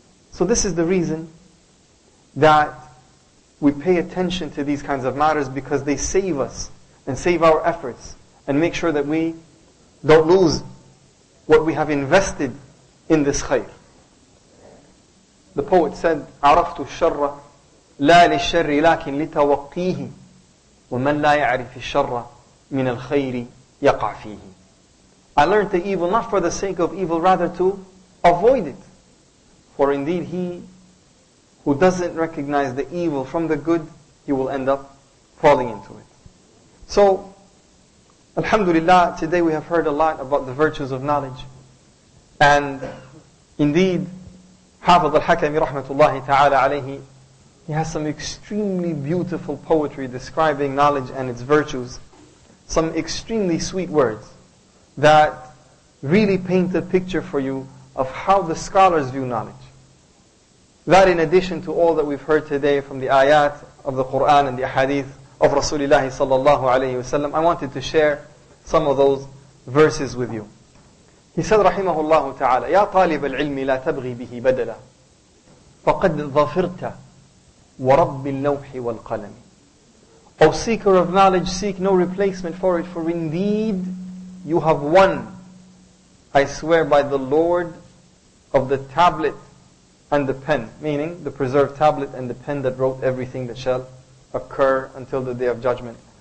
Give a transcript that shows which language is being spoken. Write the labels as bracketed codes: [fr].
[en] So this is the reason that we pay attention to these kinds of matters, because they save us and save our efforts and make sure that we don't lose what we have invested in this khayr. [ar] The poet said, عَرَفْتُ الشَّرَّ لَا لِلشَّرِّ لَكِنْ لِتَوَقِّيهِ وَمَنْ لَا يَعْرِفِ الشَّرَّ مِنَ الْخَيْرِ يَقَعْ فِيهِ. [en] I learned the evil not for the sake of evil, rather to avoid it. For indeed he who doesn't recognize the evil from the good, he will end up falling into it. So, alhamdulillah, today we have heard a lot about the virtues of knowledge. And indeed, Hafiz al-Hakami rahmatullahi ta'ala alayhi, he has some extremely beautiful poetry describing knowledge and its virtues. Some extremely sweet words. that really paint a picture for you of how the scholars view knowledge. That in addition to all that we've heard today from the ayat of the Qur'an and the hadith of Rasulullah sallallahu alayhi wasallam, I wanted to share some of those verses with you. [ar] He said, rahimahullahu ta'ala, يَا طَالِبَ الْعِلْمِ لَا تَبْغِي بِهِ بَدَلًا فَقَدْ ظَفِرْتَ وَرَبِّ اللَّوْحِ وَالْقَلَمِ. [en] O seeker of knowledge, seek no replacement for it, for indeed you have won, I swear by the Lord of the tablet and the pen, meaning the preserved tablet and the pen that wrote everything that shall occur until the day of judgment.